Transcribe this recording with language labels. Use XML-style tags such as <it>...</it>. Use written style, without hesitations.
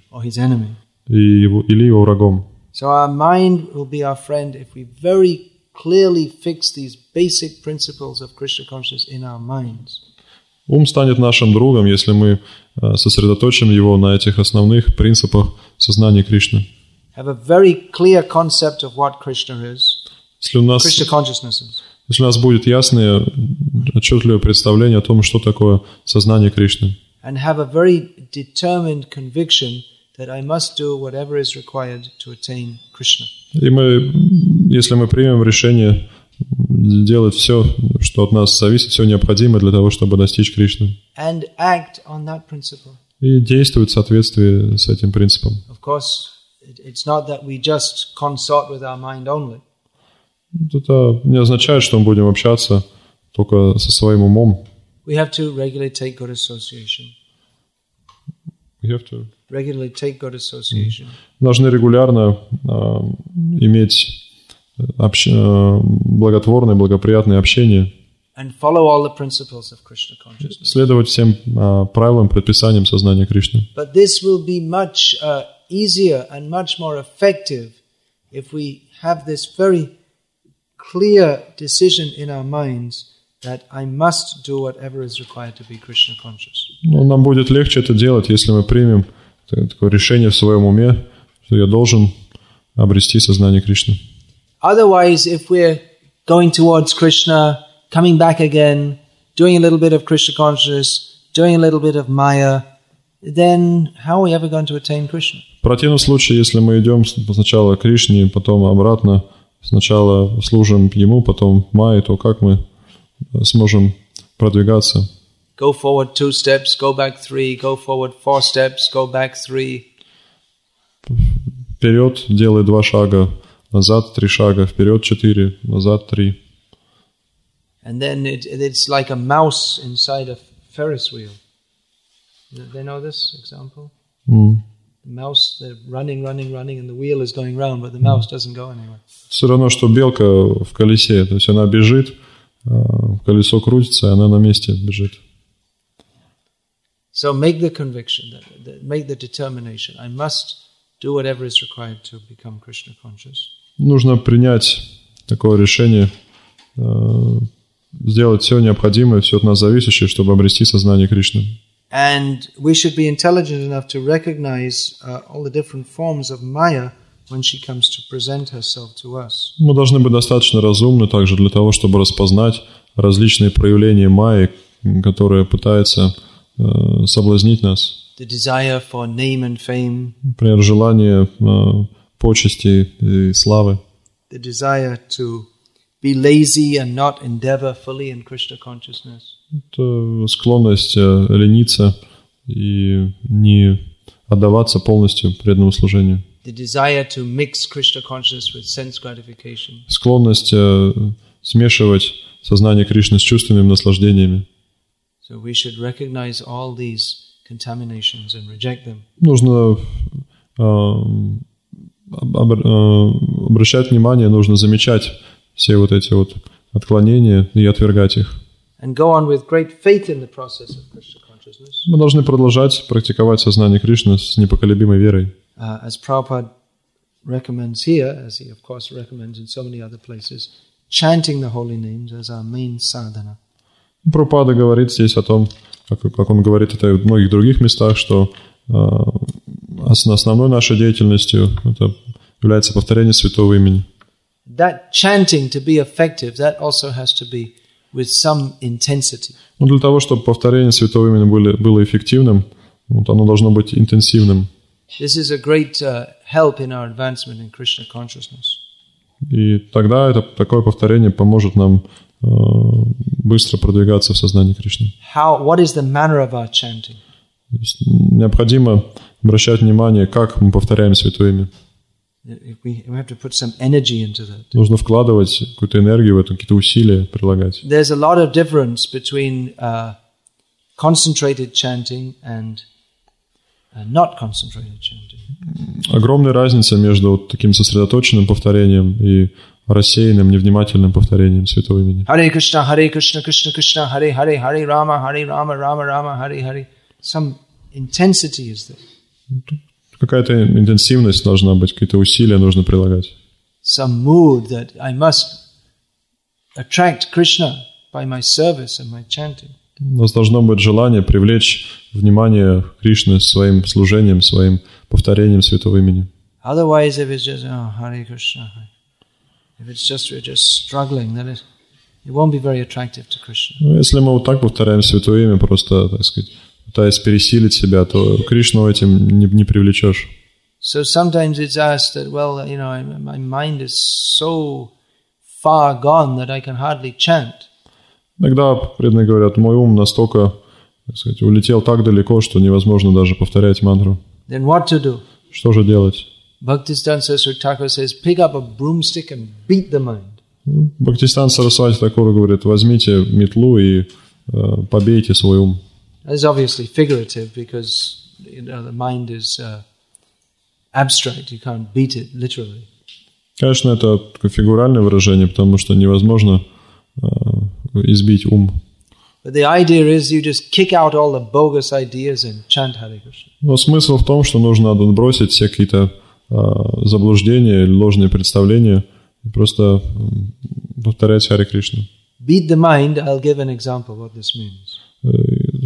<en>Or his enemy.</en> <ru>Или его врагом.</ru> <en>So our mind will be our friend if we very clearly fix these basic principles of Krishna consciousness in our minds.</en> <ru>Ум станет нашим другом, если мы сосредоточим его на этих основных принципах сознания Кришны.</ru> <en>Have a very clear concept of what Krishna is. Krishna consciousness is.</en> <ru>Если у нас будет ясное, отчетливое представление о том, что такое сознание Кришны.</ru> <en>And have a very determined conviction that I must do whatever is required to attain Krishna.</en> <ru>И мы, если мы примем решение делать все, что от нас зависит, все необходимое для того, чтобы достичь Кришны.</ru> <en>And act on that principle.</en> <ru>И действовать в соответствии с этим принципом.</ru> <en>Of course, it's not that we just consort with our mind only.</en> <ru>Это не означает, что мы будем общаться только со своим умом.</ru> <en>We have to regularly take good association. We have to regularly take good association.</en> <ru>Мы должны регулярно иметь благотворное, благоприятное общение.</ru> <en>and follow all the principles of Krishna consciousness.</en> <ru>Следовать всем правилам, предписаниям сознания Кришны.</ru> <en>But this will be much easier and much more effective if we have this very clear decision in our minds that I must do whatever is required to be Krishna conscious.</en> <ru>Ну, нам будет легче это делать, если мы примем такое решение в своем уме, что я должен обрести сознание Кришны.</ru> <en>Otherwise, if we're going towards Krishna, coming back again, doing a little bit of Krishna consciousness, doing a little bit of Maya, then how are we ever going to attain Krishna?</en> <ru>В противном случае, если мы идем сначала к Кришне, потом обратно, сначала служим Ему, потом Майе, то как мы сможем продвигаться?</ru> <en>Go forward 2 steps, go back 3, go forward 4 steps, go back 3.</en> <ru>Вперед, делай 2 шага, назад 3 шага, вперед 4, назад 3.</ru> <en>And then it's like a mouse inside a Ferris wheel. They know this example? The mouse, they're running, and the wheel is going round, but the mouse doesn't go anywhere.</en> <ru>Все равно, что белка в колесе, то есть она бежит, колесо крутится, и она на месте бежит.</ru> <en>So make the conviction, make the determination. I must do whatever is required to become Krishna conscious.</en> <ru>Нужно принять такое решение, сделать все необходимое, все от нас зависящее, чтобы обрести сознание Кришны.</ru> <en>And we should be intelligent enough to recognize all the different forms of Maya when she comes to present herself to us.</en> <ru>Мы должны быть достаточно разумны также для того, чтобы распознать различные проявления Майи, которая пытается соблазнить нас.</ru> <en>The desire for name and fame.</en> <ru>Например, желание почести и славы.</ru> <en>The desire to be lazy and not endeavor fully in Krishna consciousness.</en> <ru>Это склонность лениться и не отдаваться полностью преданному служению.</ru> <en>The desire to mix Krishna consciousness with sense gratification.</en> <ru>Склонность смешивать сознание Кришны с чувственными наслаждениями.</ru> <en>So we should recognize all these contaminations and reject them.</en> <ru>Нужно обращать внимание, нужно замечать все вот эти вот отклонения и отвергать их.</ru> <en>And go on with great faith in the process of Krishna consciousness.</en> <ru>Мы должны продолжать практиковать сознание Кришны с непоколебимой верой.</ru> <en>As Prabhupada recommends here, as he of course recommends in so many other places, chanting the holy names as our main sadhana.</en> <ru>Прабхупада говорит здесь о том, как он говорит это в многих других местах, что основной нашей деятельностью это является повторение святого имени.</ru> <en>That chanting to be effective, that also has to be with some intensity.</en> <ru>Но для того, чтобы повторение святого имени было эффективным, вот оно должно быть интенсивным.</ru> <en>This is a great help in our advancement in Krishna consciousness.</en> <ru>И тогда это такое повторение поможет нам быстро продвигаться в сознании Кришны.</ru> <en>How, what is the manner of our chanting?</en> <ru>То есть необходимо обращать внимание, как мы повторяем святое имя.</ru> <en>We have to put some energy into that.</en> <ru>Нужно вкладывать какую-то энергию в это, какие-то усилия прилагать.</ru> <en>There's a lot of difference between concentrated chanting and not concentrated chanting.</en> <ru>Огромная разница между вот таким сосредоточенным повторением и рассеянным, невнимательным повторением святого имени.</ru> <sa>Hare Krishna, Hare Krishna, Krishna Krishna, Hare Hare, Hare Rama, Hare Rama, Rama Rama, Hare Hare.</sa> <en>Some intensity is there.</en> <ru>Какая-то интенсивность должна быть, какие-то усилия нужно прилагать.</ru> <en>Some mood that I must attract Krishna by my service and my chanting.</en> <ru>У нас должно быть желание привлечь внимание Кришны своим служением, своим повторением святого имени.</ru> <en>Otherwise, if it's just, Hare Krishna, Hare. If it's just we're just struggling, then it won't be very attractive to Krishna.</en> <ru>Ну, если мы вот так повторяем святое имя, просто, так сказать, пытаясь пересилить себя, то Кришну этим не привлечешь.</ru> <en>So sometimes it's asked that, well, you know, my mind is so far gone that I can hardly chant.</en> <ru>Иногда преданные говорят, мой ум настолько, так сказать, улетел так далеко, что невозможно даже повторять мантру.</ru> <en>Then what to do?</en> <ru>Что же делать?</ru> <en>Bhaktisthana Saraswati Thakur says, pick up a broomstick and beat the mind.</en> <ru>Bhaktisthana Saraswati Thakur говорит, возьмите метлу и побейте свой ум.</ru> <en>It's obviously figurative because you know, the mind is abstract, you can't beat it literally.</en> <ru>Конечно, это такое фигуральное выражение, потому что невозможно избить ум.</ru> <en>But the idea is you just kick out all the bogus ideas and chant Hare Krishna.</en> <ru>Но смысл в том, что нужно отбросить все какие-то заблуждения или ложные представления и просто повторять Hare Krishna.</ru> <en>Beat the mind, I'll give an example what this means.</en>